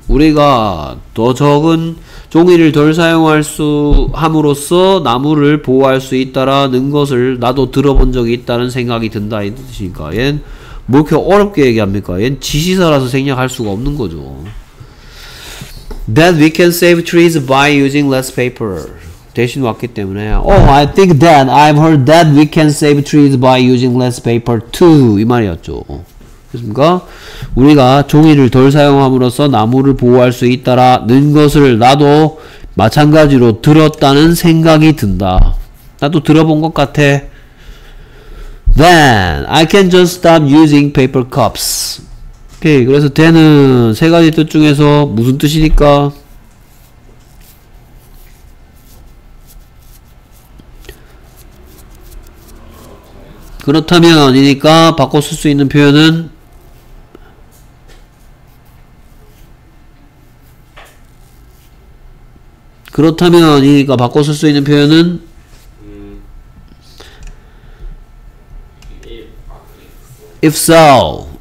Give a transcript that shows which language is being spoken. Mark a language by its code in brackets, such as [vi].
[ko] 우리가 더 적은 종이를 덜 사용할 수 함으로써 나무를 보호할 수 있다라는 것을 나도 들어본 적이 있다는 생각이 든다 이 뜻이니까 얜 뭐 이렇게 어렵게 얘기합니까? 얜 지시사라서 생략할 수가 없는 거죠. [en] That we can save trees by using less paper. [ko] 대신 왔기 때문에 [en] Oh, I think that I've heard that we can save trees by using less paper too. [ko] 이 말이었죠. 그렇습니까? 우리가 종이를 덜 사용함으로써 나무를 보호할 수 있다라는 것을 나도 마찬가지로 들었다는 생각이 든다. 나도 들어본 것 같아. [en] Then I can just stop using paper cups. [ko] 오케이, 그래서 then은 세 가지 뜻 중에서 무슨 뜻이니까? 그렇다면 이니까 바꿔 쓸 수 있는 표현은 그렇다면 이니까 바꿔 쓸 수 있는 표현은 [en] if so.